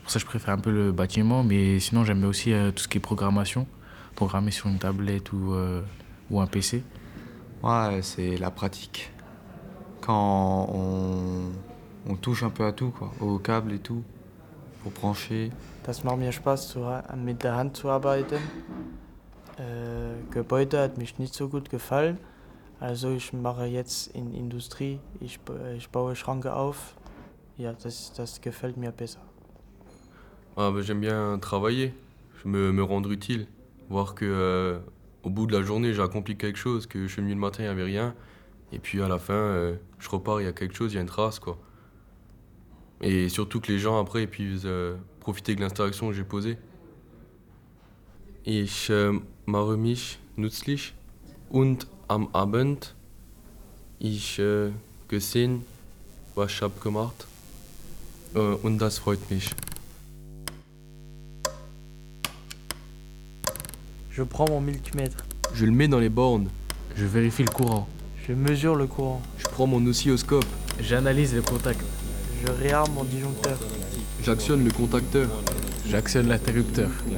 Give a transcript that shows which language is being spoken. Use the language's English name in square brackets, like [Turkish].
[French] Pour ça, je préfère un peu le bâtiment. Mais sinon, j'aime bien aussi tout ce qui est programmation, programmer sur une tablette ou un PC. Ouais, c'est la pratique. Quand on touche un peu à tout, quoi, aux câbles et tout, pour brancher. [German] Das macht mir Spaß, mit der Hand zu arbeiten. Gebäude hat mich nicht so gut gefallen. Also ich mache jetzt in Industrie, ich baue Schranke auf. Ja, das gefällt mir besser. [French] Ah, ben, j'aime bien travailler, me rendre utile, voir que au bout de la journée, j'ai accompli quelque chose, que je suis venu le matin, il n'y avait rien. Et puis à la fin, je repars, il y a quelque chose, il y a une trace, quoi. Et surtout que les gens, après, puissent profiter de l'installation que j'ai posée. [German] Ich mache mich nützlich und am Abend, ich gesehen, was ich habe gemacht und das freut mich. [French] Je prends mon multimètre. Je le mets dans les bornes. Je vérifie le courant. Je mesure le courant. Je prends mon oscilloscope. J'analyse le contact. Je réarme mon disjoncteur. J'actionne le contacteur. J'actionne l'interrupteur.